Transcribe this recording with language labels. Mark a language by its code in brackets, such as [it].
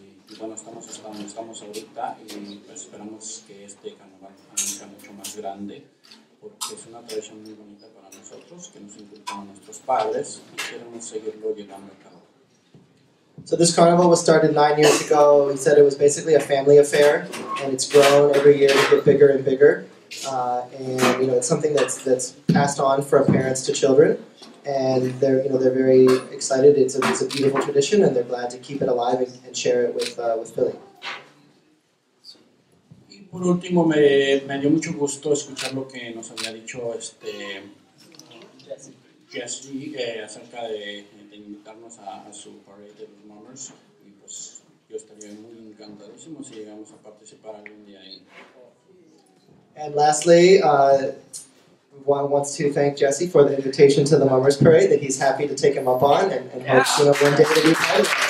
[es] Y bueno, estamos ahorita y pues esperamos que este carnaval sea mucho más grande, porque es una tradición muy bonita para nosotros, que nos inculcaron nuestros padres y queremos seguirlo llevando a cabo. [en] So this carnival was started 9 years ago. He said it was basically a family affair, and it's grown every year to get bigger and bigger. And you know, it's something that's passed on from parents to children, and they're, you know, they're very excited. It's a beautiful tradition, and they're glad to keep it alive and share it with Philly. [es] Por último, me dio mucho gusto escuchar lo que nos había dicho Jesse acerca de invitarnos a su Parade of Mummers. Y pues yo estaría muy encantadísimo si llegamos a participar algún día ahí. [en] And lastly, Juan wants to thank Jesse for the invitation to the Mummers Parade that he's happy to take him up on and hopes, you know, one day to be part.